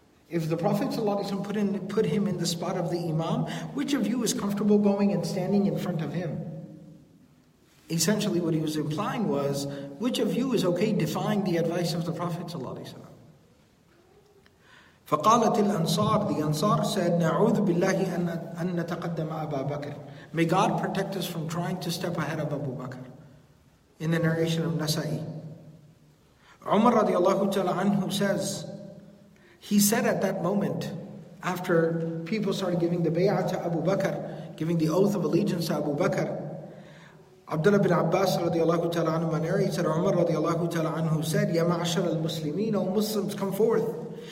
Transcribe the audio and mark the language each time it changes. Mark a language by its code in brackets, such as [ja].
[en] If the Prophet ﷺ put him in the spot of the Imam, which of you is comfortable going and standing in front of him? Essentially what he was implying was, which of you is okay defying the advice of the Prophet ﷺ? [ar] فَقَالَتِ الْأَنصَارِ, [en] the Ansar said, [ar] نَعُوذُ بِاللَّهِ أَن نَتَقَدَّمَ أَبَا بَكْرٍ. [en] May God protect us from trying to step ahead of Abu Bakr. In the narration of Nasa'i, Umar radiallahu ta'ala anhu says, he said at that moment, after people started giving the bay'ah to Abu Bakr, giving the oath of allegiance to Abu Bakr, Abdullah bin Abbas radiallahu ta'ala anhu narrated, Umar radiallahu ta'ala anhu said, [ar] يَا مَعَشَرَ الْمُسْلِمِينَ, [en] O Muslims, come forth.